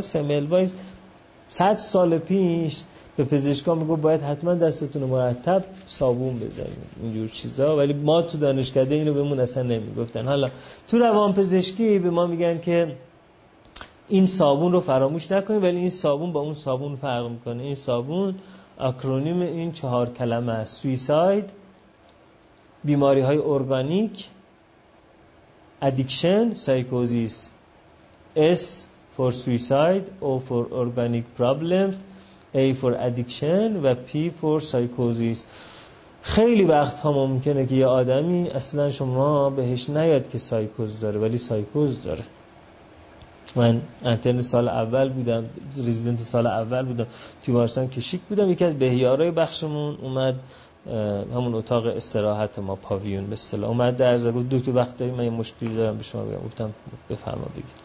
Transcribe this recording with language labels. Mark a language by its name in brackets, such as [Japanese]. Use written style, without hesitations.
[Persian] سملوایز 100 سال پیش به پزشکا میگه باید حتما دستتون رو مرتب صابون بزنید اینجور چیزا، ولی ما تو دانشکده اینو بهمون اصلا نمیگفتن. حالا تو روان پزشکی به ما میگن که این صابون رو فراموش نکنید، ولی این صابون با اون صابون فرق میکنه. این صابون آکرونیم این 4 کلمه است: سویساید، بیماری های ارگانیک ادیکشن سایکوزیس [English] S for suicide O for organic problems A for addiction و P for psychosis. [Persian] خیلی وقت ها ممکنه که یه آدمی اصلا شما بهش نیاد که سایکوز داره ولی سایکوز داره. من انترن سال اول بودم، رزیدنت سال اول بودم، تیمارستان کشیک بودم، یکی از بهیارای بخشمون اومد همون اتاق استراحت ما، پاویون به اصطلاح، اومد در زد گفت دکتر وقت داری؟ من یه مشکلی دارم به شما بگم. گفتم بفرما بگید.